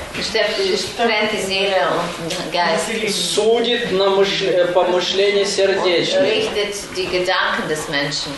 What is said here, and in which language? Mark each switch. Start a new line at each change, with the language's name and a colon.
German: Trennt die Seele und Geist.
Russian: Судит по мышлению сердечному.
German: Richtet die Gedanken des Menschen.